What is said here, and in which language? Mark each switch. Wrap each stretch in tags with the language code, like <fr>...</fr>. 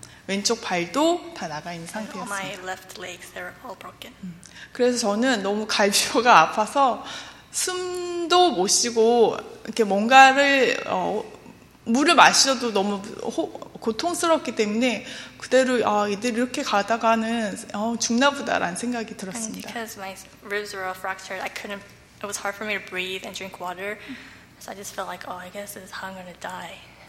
<ko>왼쪽 발도 다 나가 있는 상태였습니다.</ko> <en>All my left legs, they're all broken.</en> <ko>그래서 저는 너무 갈비뼈가 아파서 숨도 못 쉬고 이렇게 뭔가를 물을 마셔도 너무 고통스럽기 때문에 그대로 이들이 이렇게 가다가는 죽나보다라는 생각이 들었습니다.</ko> <en>And because my ribs were all fractured, I couldn't. It was hard for me to breathe and drink water, so I just felt like, oh, I guess this is how I'm gonna die.</en>